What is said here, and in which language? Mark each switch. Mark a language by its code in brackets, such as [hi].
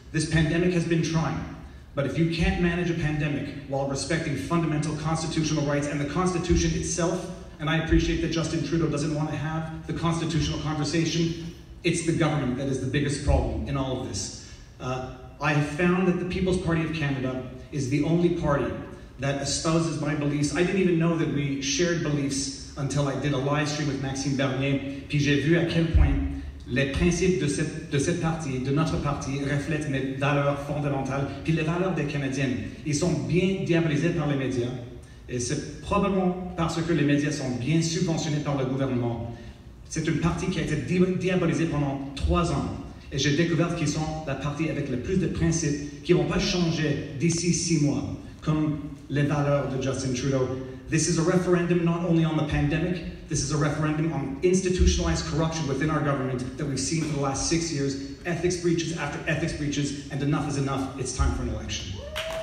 [en] This pandemic has been trying, but if you can't manage a pandemic while respecting fundamental constitutional rights and the Constitution itself, and I appreciate that Justin Trudeau doesn't want to have the constitutional conversation, it's the government that is the biggest problem in all of this. I have found that the People's Party of Canada is the only party that espouses my beliefs. I didn't even know that we shared beliefs until I did a live stream with Maxime Bernier. [fr] Puis j'ai vu à quel point les principes de cette partie, de notre parti, reflètent mes valeurs fondamentales. Puis les valeurs des Canadiens, ils sont bien diabolisés par les médias. Et c'est probablement parce que les médias sont bien subventionnés par le gouvernement. C'est une partie qui a été diabolisée pendant 3 ans. Et j'ai découvert qu'ils sont la partie avec le plus de principes qui ne vont pas changer d'ici 6 mois, comme les valeurs de Justin Trudeau. [en] This is a referendum not only on the pandemic, this is a referendum on institutionalized corruption within our government that we've seen for the last 6 years, ethics breaches after ethics breaches, and enough is enough, it's time for an election.